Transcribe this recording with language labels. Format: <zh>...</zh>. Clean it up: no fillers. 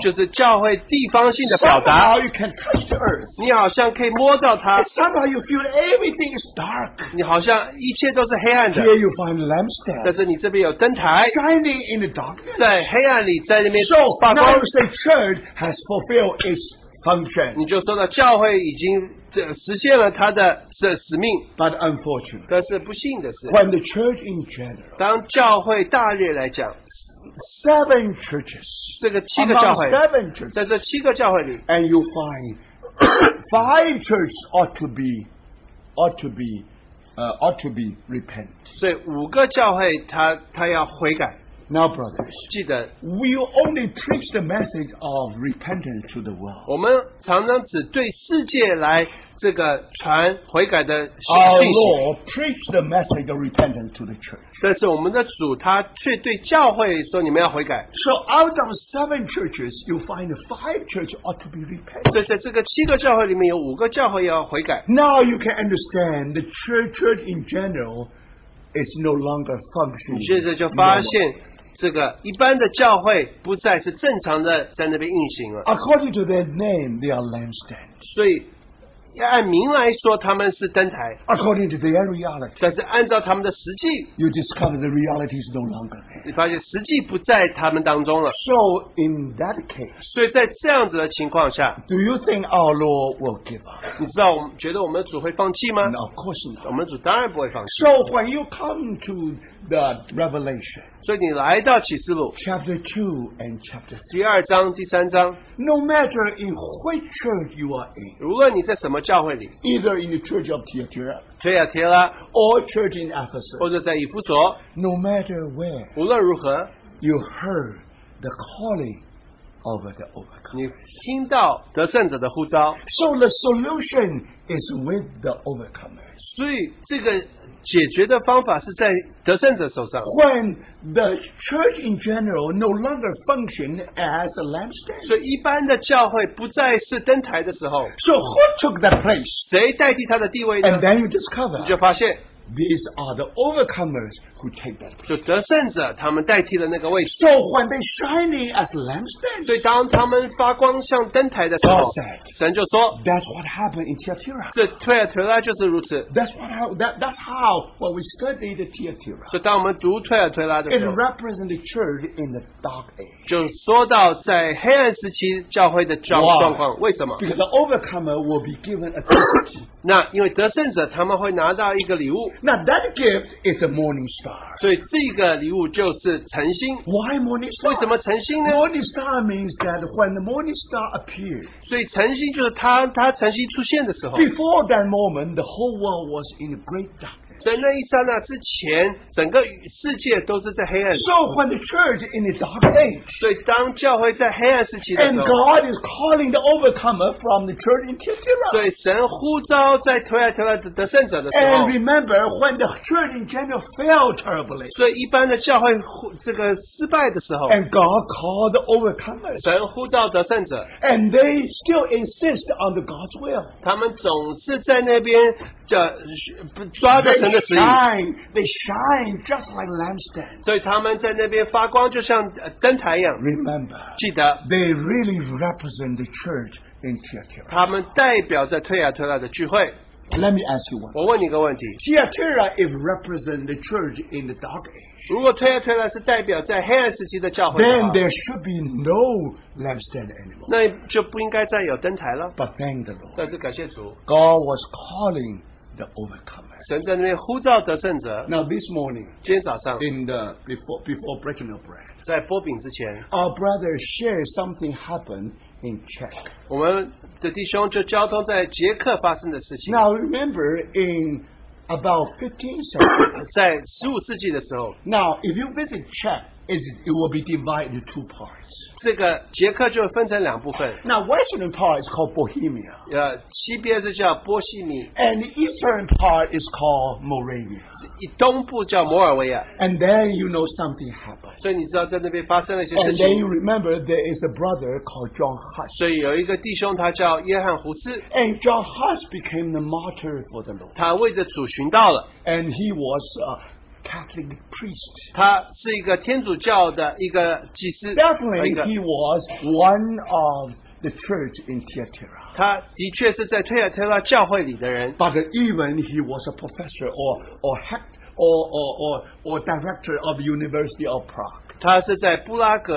<zh>就是教会地方性的表达,</zh> <en>somehow you can touch the earth.</en> <zh>你好像可以摸到它,</zh> <en>somehow you feel everything is dark.</en> <zh>你好像一切都是黑暗的,</zh> <en>here you find lampstand.</en> <zh>但是你这边有灯台,</zh> <en>shining in the darkness.</en> <zh>在黑暗里,</zh> <en>so now you say church has fulfilled its function.</en> <zh>你就说了教会已经 实现了他的使命,</zh> <en>but unfortunately,</en> <zh>但是不幸的是,</zh> <en>when the church in general,</en> <zh>当教会大略来讲,</zh> <en>seven churches,</en> <zh>这个七个教会,</zh> <en>among seven churches,</en> <zh>在这七个教会里,</zh> <en>and you find five churches ought to be repent.</en> <zh>所以五个教会他要悔改。</zh> <en>Now, brothers,</en> <zh>记得,</zh> <en>we only preach the message of repentance to the world.</en> <zh>我们常常只对世界来</zh> <en>Our Lord preached the message of repentance to the church.</en> <zh>但是我们的主他却对教会说你们要悔改。</zh> <en>So out of seven churches, you find five churches ought to be repented.</en> <zh>所以在这个七个教会里面有五个教会要悔改。</zh> <en>Now you can understand the church in general is no longer functioning.</en> <zh>现在就发现 这个一般的教会不再是正常的在那边运行了。</zh> <en>According to their name, they are lampstands.</en> <zh>所以 按名来说他们是灯台,</zh> <en>according to their reality,</en> <zh>但是按照他们的实际,</zh> <en>you discover the reality is no longer there. So in that case,</en> <zh>所以在这样子的情况下,</zh> <en>do you think our Lord will give up?</en> <zh>你知道我们觉得我们主会放弃吗?</zh> <en>No, of course not.</en> <zh>我们主当然不会放弃。</zh> <en>So when you come to the revelation,</en> <zh>所以你来到启示录,</zh> <en>chapter 2 and chapter</en> <zh>3, 第二章, 第三章,</zh> <en>no matter in which church you are in,</en> <zh>无论你在什么教会里,</zh> <en>either in the church of Thyatira,</en> <zh>推亚提拉,</zh> <en>or church in Ephesus,</en> <zh>或者在以弗所,</zh> <en>no matter where,</en> <zh>无论如何,</zh> <en>you heard the calling of the overcomer.</en> <zh>你听到得胜者的呼召,</zh> <en>so the solution is with the overcomer.</en> <zh>所以这个 解决的方法是在得胜者手上。</zh> <en>When the church in general no longer function as a lampstand,</en> <zh>所以一般的教会不再是灯台的时候,</zh> <en>so who took that place?</en> <zh>谁代替他的地位呢?</zh> <en>And then you discover,</en> <zh>你就发现,</zh> <en>these are the overcomers who take that place.</en> <zh>就得胜者他们代替了那个位置。</zh> <en>So when they shine as lampstands,</en> <zh>所以当他们发光像灯台的时候,</zh> <en>God said,</en> <zh>神就说,</zh> <en>that's what happened in Thyatira.</en> <zh>这推尔推拉就是如此。</zh> <en>That's how when we study the Thyatira,</en> <zh>所以当我们读推尔推拉的时候,</zh> <en>it represents the church in the dark age.</en> <zh>就说到在黑暗时期教会的状况。</zh> <en>Why?</en> <zh>为什么?</zh> <en>Because the overcomer will be given a gift.</en> <zh>那因为得胜者他们会拿到一个礼物。</zh> <en>Now that gift is a morning star.</en> <zh>所以这个礼物就是晨星。</zh> <en>Why morning star?</en> <zh>为什么晨星呢?</zh> <en>Morning star means that when the morning star appears,</en> <zh>所以晨星就是它晨星出现的时候。</zh> <en>Before that moment, the whole world was in great darkness.</en> <zh>在那一刹那之前, 整个世界都是在黑暗。</zh> <en>So when the church in the dark age,</en> <zh>所以当教会在黑暗时期的时候,</zh> <en>and God is calling the overcomer from the church in Thyatira,</en> <zh>对神呼召在推亚特拉得胜者的时候,</zh> <en>and remember when the church in general fell terribly,</en> <zh>所以一般的教会这个失败的时候,</zh> <en>and God called the overcomers,</en> <zh>神呼召得胜者,</zh> <en>and they still insist on the God's will,</en> <zh>他们总是在那边,</zh> <en>they shine just like lampstands.</en> <zh>所以他们在那边发光就像灯台一样。</zh> <en>Remember,</en> <zh>记得,</zh> <en>they really represent the church in Thyatira.</en> <zh>他们代表着推亚推拉的聚会。</zh> <en>Let me ask you one.</en> <zh>我问你个问题。</zh> <en>Thyatira is represent the church in the dark age.</en> <zh>如果推亚推拉是代表在黑暗时期的教会的话,</zh> <en>then there should be no lampstand anymore.</en> <zh>那就不应该再有灯台了。</zh> <en>But thank the Lord.</en> <zh>但是感谢主,</zh> <en>God was calling the overcomer.</en> <zh>神在那边呼召得胜者。</zh> <en>Now this morning,</en> <zh>今天早上,</zh> <en>in the before breaking the bread,</en> <zh>在波饼之前,</zh> <en>our brother shared something happened in Czech.</en> <zh>我们的弟兄就交通在捷克发生的事情。</zh> <en>Now remember, in about 15 seconds.</en> <zh>在15世纪的时候,</zh> <en>now, if you visit Chen, it will be divided into two parts.</en> <zh>这个捷克就分成两部分.</zh> <en>Now, western part is called Bohemia.</en> <zh>西边是叫波西米,</zh> <en>and the eastern part is called Moravia.</en> <zh>东部叫摩尔维亚.</zh> <en>And then you know something happened.</en> <zh>所以你知道在那边发生了一些事情.</zh> <en>And then you remember there is a brother called John Huss.</en> <zh>所以有一个弟兄他叫约翰胡斯.</zh> <en>And John Huss became the martyr for the Lord.</en> <zh>他为着主殉道了.</zh> <en>And he was Catholic priest.</en> <zh>他是一个天主教的一个祭司,</zh> <en>definitely, 一个, he was one of the church in Thyatira.</en> <zh>他的确是在推尔特拉教会里的人.</zh> <en>But even he was a professor or director of the University of Prague.</en>